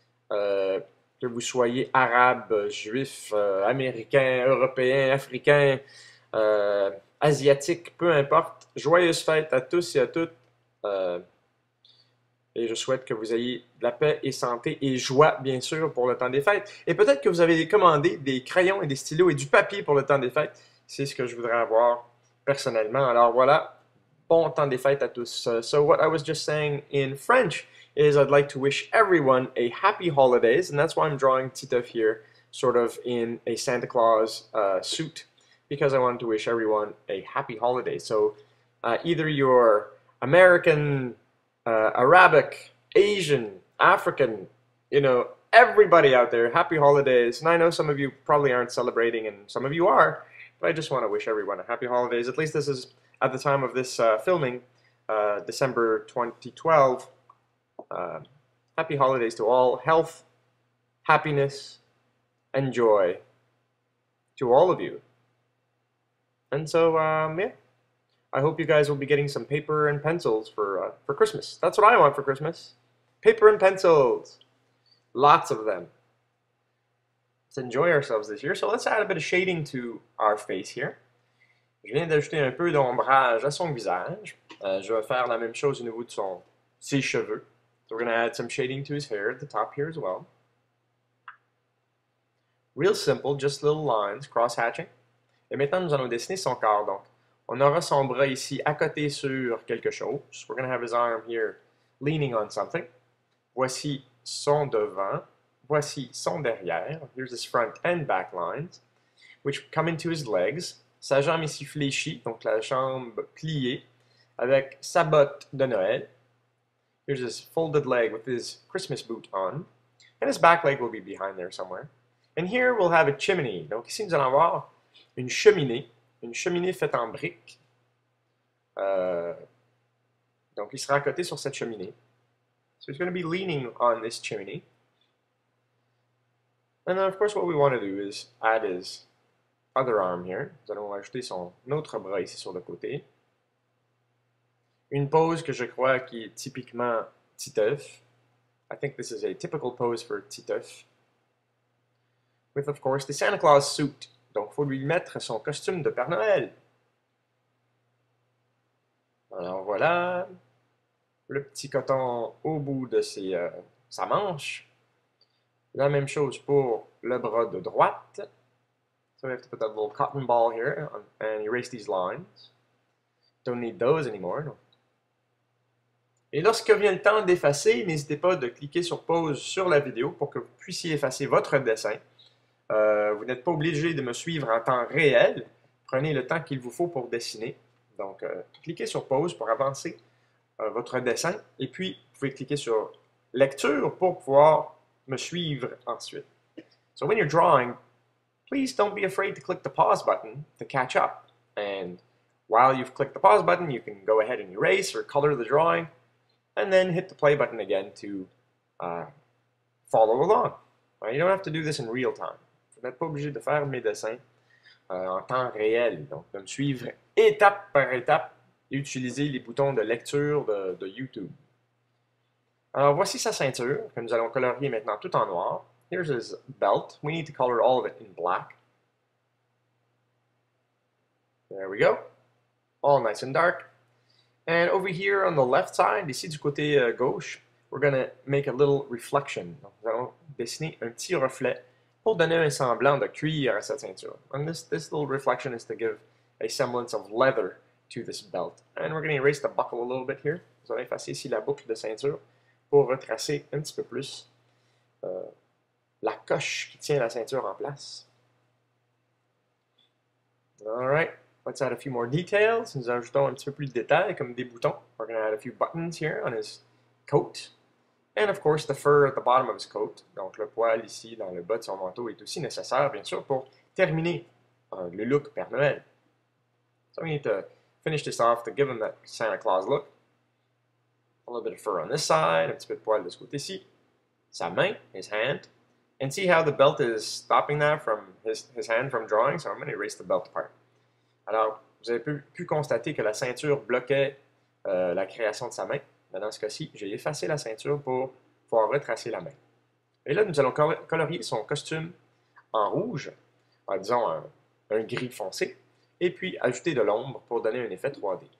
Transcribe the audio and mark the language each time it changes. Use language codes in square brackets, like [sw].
[fr] Que vous soyez arabe, juif, américain, européen, africain, asiatique, peu importe. Joyeuses fêtes à tous et à toutes. Et je souhaite que vous ayez de la paix et santé et joie, bien sûr, pour le temps des fêtes. Et peut-être que vous avez commandé des crayons et des stylos et du papier pour le temps des fêtes. C'est ce que je voudrais avoir personnellement. Alors voilà. Bon temps des fêtes à tous. [en] So what I was just saying in French is I'd like to wish everyone a happy holidays, and that's why I'm drawing Titeuf here sort of in a Santa Claus suit, because I wanted to wish everyone a happy holiday. So either you're American, Arabic, Asian, African, you know, everybody out there, happy holidays. And I know some of you probably aren't celebrating and some of you are, but I just want to wish everyone a happy holidays. At least this is at the time of this filming, December 2012, happy holidays to all. Health, happiness, and joy to all of you. And so, yeah, I hope you guys will be getting some paper and pencils for Christmas. That's what I want for Christmas. Paper and pencils. Lots of them. Let's enjoy ourselves this year. So let's add a bit of shading to our face here. [fr] Je viens d'ajouter un peu d'ombrage à son visage. Je vais faire la même chose au niveau de ses cheveux. [en] So we're gonna add some shading to his hair at the top here as well. Real simple, just little lines, cross hatching. [fr] Et maintenant, nous allons dessiner son corps. Donc, on aura son bras ici à côté sur quelque chose. [en] So we're gonna have his arm here leaning on something. [fr] Voici son devant. Voici son derrière. [en] Here's his front and back lines, which come into his legs. [fr] Sa jambe ici fléchie, donc la jambe pliée, avec sa botte de Noël. [en] Here's his folded leg with his Christmas boot on. And his back leg will be behind there somewhere. And here we'll have a chimney. [fr] Donc ici, nous allons avoir une cheminée faite en briques. Donc il sera à côté sur cette cheminée. [en] So he's going to be leaning on this chimney. And then, of course, what we want to do is add his other arm here. [fr] Nous allons ajouter son autre bras ici sur le côté. Une pose que je crois qui est typiquement Titeuf. [en] I think this is a typical pose for Titeuf. With, of course, the Santa Claus suit. [fr] Donc, il faut lui mettre son costume de Père Noël. Alors, voilà. Le petit coton au bout de sa manche. La même chose pour le bras de droite. [en] So we have to put that little cotton ball here and erase these lines. Don't need those anymore. No. [fr] Et lorsque vient le temps d'effacer, n'hésitez pas de cliquer sur pause sur la vidéo pour que vous puissiez effacer votre dessin. Vous n'êtes pas obligé de me suivre en temps réel. Prenez le temps qu'il vous faut pour dessiner. Donc, cliquez sur pause pour avancer votre dessin. Et puis, vous pouvez cliquer sur lecture pour pouvoir me suivre ensuite. [en] So when you're drawing, please don't be afraid to click the pause button to catch up. And while you've clicked the pause button, you can go ahead and erase or color the drawing, and then hit the play button again to follow along. Right? You don't have to do this in real time. [fr] Vous n'êtes pas obligé de faire mes dessins en temps réel. Donc, de me suivre étape par étape et utiliser les boutons de lecture de YouTube. Alors, voici sa ceinture, que nous allons colorier maintenant tout en noir. [en] Here's his belt. We need to color all of it in black. There we go. All nice and dark. And over here on the left side, [fr] ici du côté gauche, [en] we're going to make a little reflection. [fr] Donc, nous allons dessiner un petit reflet pour donner un semblant de cuir à sa ceinture. [en] And this little reflection is to give a semblance of leather to this belt. And we're going to erase the buckle a little bit here. [fr] Nous allons effacer ici la boucle de ceinture. Pour retracer un petit peu plus la coche qui tient la ceinture en place. [en] All right, let's add a few more details. [fr] Nous ajoutons un petit peu plus de détails comme des boutons. [en] We're going to add a few buttons here on his coat. And of course, the fur at the bottom of his coat. [fr] Donc le poil ici dans le bas de son manteau est aussi nécessaire, bien sûr, pour terminer le look Père Noël. [en] So we need to finish this off to give him that Santa Claus look. A little bit of fur on this side, [fr] un petit peu de poil de ce côté-ci. Sa main, [en] his hand. And see how the belt is stopping that from his hand from drawing, so I'm going to erase the belt part. [fr] Alors, vous avez pu constater que la ceinture bloquait la création de sa main. Mais dans ce cas-ci, j'ai effacé la ceinture pour pouvoir retracer la main. Et là, nous allons colorier son costume en rouge, disons un gris foncé, et puis ajouter de l'ombre pour donner un effet 3D.